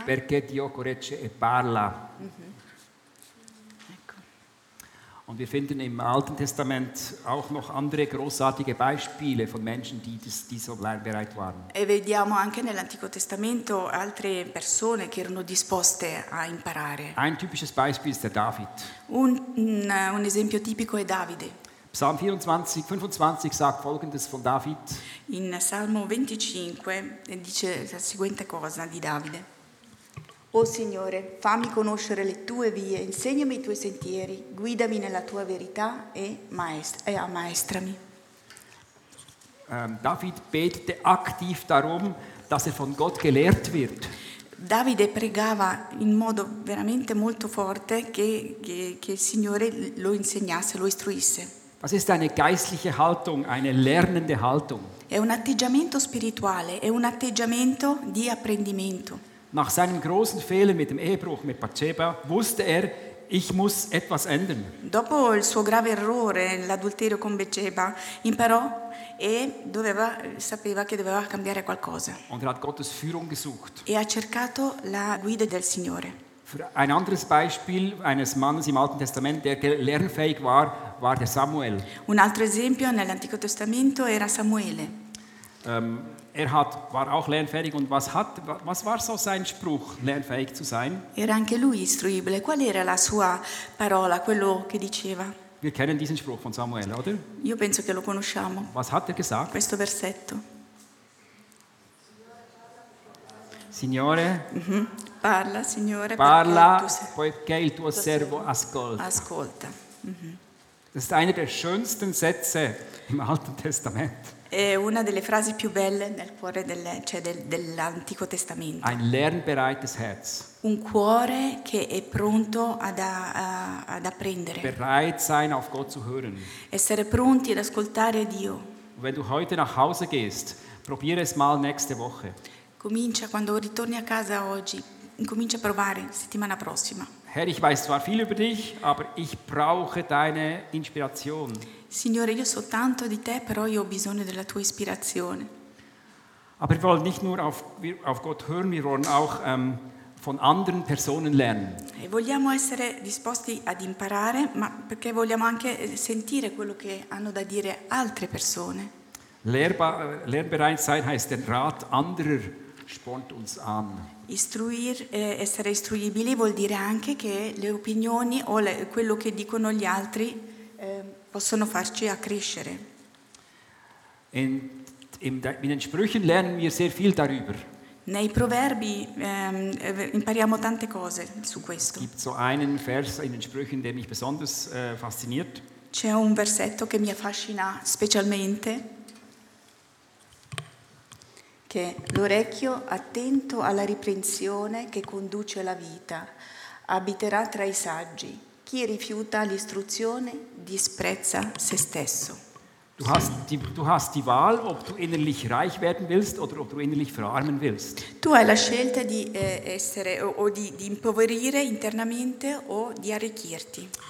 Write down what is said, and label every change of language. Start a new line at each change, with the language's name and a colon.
Italian: perché Dio corregge e parla.
German: Und wir finden im Alten Testament auch noch andere großartige Beispiele von Menschen, die so lernbereit waren.
Italian: E vediamo anche nell'Antico Testamento altre persone che erano disposte a imparare.
German: Ein typisches Beispiel ist der David.
Italian: Un esempio tipico è Davide.
German: Psalm 25 sagt folgendes von David.
Italian: In Salmo 25 dice la seguente cosa di Davide. O Signore, fammi conoscere le tue vie, insegnami i tuoi sentieri, guidami nella tua verità e ammaestrami.
German: David betete aktiv darum, dass er von Gott gelehrt wird.
Italian: Davide pregava in modo veramente molto forte che il Signore lo insegnasse, lo istruisse.
German: Was ist eine geistliche Haltung, eine lernende Haltung?
Italian: È un atteggiamento spirituale, è un atteggiamento di apprendimento.
German: Nach seinem großen Fehler mit dem Ehebruch mit Bathsheba wusste er, ich muss etwas ändern.
Italian: Dopo il suo grave errore, l'adulterio con Bathsheba, imparò e sapeva che doveva cambiare qualcosa.
German: Und er hat Gottes Führung gesucht.
Italian: E ha cercato la guida del Signore.
German: Ein anderes Beispiel eines Mannes im Alten Testament, der lernfähig war, war der Samuel.
Italian: Un altro esempio nell'Antico Testamento era Samuele.
German: War auch lernfähig und was war so sein Spruch, lernfähig zu sein?
Italian: Era anche lui istruibile. Qual era la sua parola, quello che diceva?
German: Wir kennen diesen Spruch von Samuel, oder?
Italian: Io penso che lo conosciamo.
German: Was hat er gesagt?
Italian: Questo versetto. Signore. Parla, Signore. Parla, poiché il tuo servo ascolta. Ascolta.
German: Das ist einer der schönsten Sätze im Alten Testament.
Italian: È una delle frasi più belle nel cuore dell'Antico Testamento.
German: Ein lernbereites Herz.
Italian: Un cuore che è pronto ad apprendere.
German: Bereit sein, auf Gott zu hören.
Italian: Essere pronti ad ascoltare Dio.
German: Und wenn du heute nach Hause gehst, probiere es mal nächste Woche.
Italian: Comincia quando ritorni a casa oggi, incomincia a provare settimana prossima.
German: Herr, ich weiß zwar viel über dich, aber ich brauche deine Inspiration.
Italian: Signore, io so tanto di te, però io ho bisogno della tua ispirazione.
German: Aber wir wollen nicht nur auf Gott hören, wir wollen auch von anderen Personen lernen.
Italian: E vogliamo essere disposti ad imparare, ma perché vogliamo anche sentire quello che hanno da dire altre persone.
German: Lernbereit sein heißt, den Rat anderer spornt uns an.
Italian: Essere istruibili vuol dire anche che le opinioni o quello che dicono gli altri possono farci accrescere.
German: In den Sprüchen lernen wir sehr viel darüber.
Italian: Nei proverbi impariamo tante cose su questo.
German: Gibt so einen Vers in den Sprüchen, der mich besonders fasziniert.
Italian: C'è un versetto che mi affascina specialmente, che l'orecchio attento alla riprensione che conduce alla vita abiterà tra i saggi. Chi rifiuta l'istruzione disprezza se stesso.
German: Du hast die Wahl, ob du innerlich reich werden willst oder ob du innerlich verarmen willst.
Italian: Tu hai la scelta di essere o di impoverire internamente o di arricchirti.